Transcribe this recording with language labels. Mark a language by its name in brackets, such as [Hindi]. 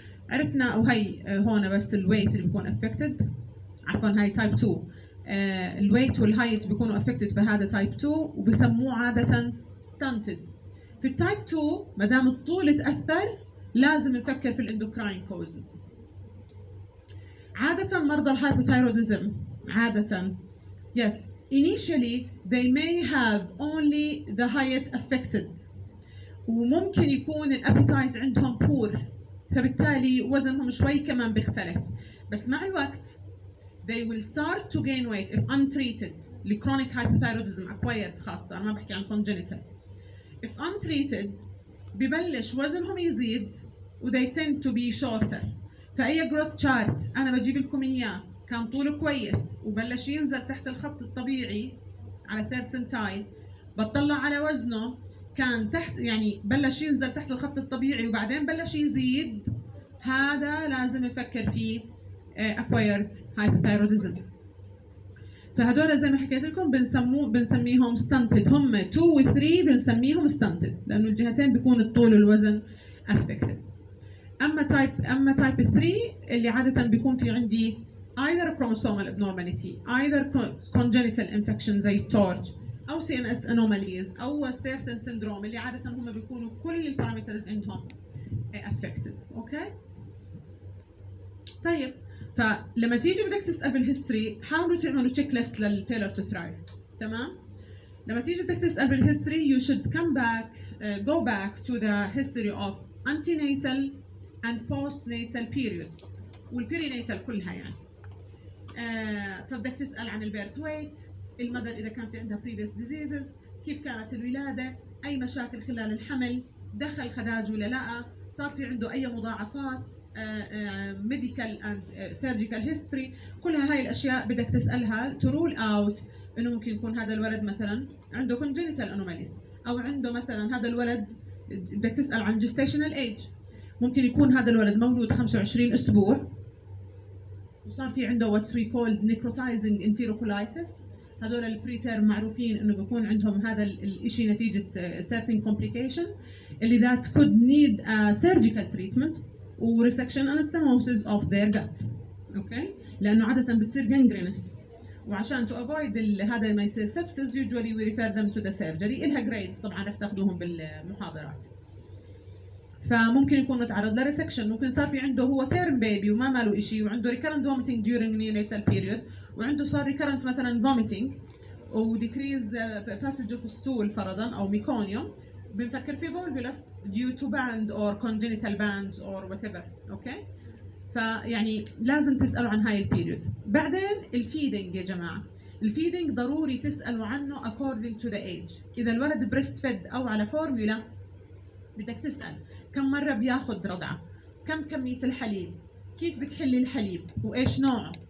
[Arabic] عرفنا وهي هون بس الweight اللي بيكون affected، عفواً هاي type 2 الweight والheight بيكونوا affected فهذا type 2 وبسموه عادة stunted. في type 2 مدام الطول تأثر لازم نفكر في الendocrine causes. عادة مرضى الhypothyroidism عادة [English] Yes, initially they may have only the hyet affected. [Arabic] وممكن يكون الابيتايت عندهم poor. فبالتالي وزنهم شوي كمان بيختلف. بس مع الوقت [English] they will start to gain weight if untreated. [Arabic] لكرونيك hypothyroidism acquired خاصة. أنا ما بحكي عن congenital. [English] If untreated [Arabic] ببلش وزنهم يزيد و [English] they tend to be shorter. [Arabic] فأي growth chart أنا بجيب لكم إياه كان طوله كويس وبلش ينزل تحت الخط الطبيعي على third centile بطلع على وزنه كان تحت يعني بلش ينزل تحت الخط الطبيعي وبعدين بلش يزيد هذا لازم نفكر فيه acquired hypothyroidism. فهدول زي ما حكيت لكم بنسميهم stunted. هم 2 و 3 بنسميهم stunted لأنه الجهتين بيكون الطول والوزن affected. أما type 3 اللي عادة بيكون في عندي [English] either chromosomal abnormality either congenital infection [Arabic] زي TORCH أو [English] CNS anomalies [Arabic] أو [English] certain syndrome [Arabic] اللي عادة هم بيكونوا كل الparameters عندهم affected. [English] okay. [Arabic] طيب فلما تيجي بدك تسأل بالهيستوري حاولوا تعملوا تشيك ليست للفيلر تو ثرايف تمام. لما تيجي بدك تسأل بالهيستوري [English] you should come back go back to the history of antenatal and postnatal period والperinatal [Arabic] كلها يعني. فبدك تسأل عن البيرث ويت المدر إذا كان في عندها previous diseases كيف كانت الولادة أي مشاكل خلال الحمل دخل خداج ولا لا صار في عنده أي مضاعفات [English] medical and surgical history [Arabic] كلها هاي الأشياء بدك تسألها [English] to rule out [Arabic] إنه ممكن يكون هذا الولد مثلا عنده [English] congenital anomalies [Arabic] أو عنده مثلا هذا الولد بدك تسأل عن [English] gestational age [Arabic] ممكن يكون هذا الولد مولود 25 أسبوع وصار في عنده [English] what we call necrotizing enterocolitis [Arabic] هذول البريترم معروفين إنه بيكون عندهم هذا الإشي نتيجة [English] certain complication اللي that could need a surgical treatment or resection anastomosis of their gut. okay. [Arabic] لأنه عادة بتصير gangrenous وعشان [English] to avoid [Arabic] هذا ما يصير sepsis [English] usually we refer them to the surgery [Arabic] إلها grades طبعا رح تاخدوهم بالمحاضرات فممكن يكون متعرض لresection ممكن صار في عنده هو [English] term baby [Arabic] وما ماله إشي وعنده [English] recurrent vomiting during neonatal period [Arabic] وعنده صار recurrent مثلا vomiting و [English] decrease passage of stool [Arabic] فرضا أو meconium بنفكر في [English] volvulus due to band or congenital band or whatever. okay. [Arabic] فيعني لازم تسألوا عن هاي البيريود. بعدين الفيدينج يا جماعة الفيدينج ضروري تسألوا عنه [English] according to the age. [Arabic] إذا الولد breast fed أو على formula بدك تسأل كم مرة بياخد رضعة كم كمية الحليب كيف بتحلي الحليب وإيش نوعه.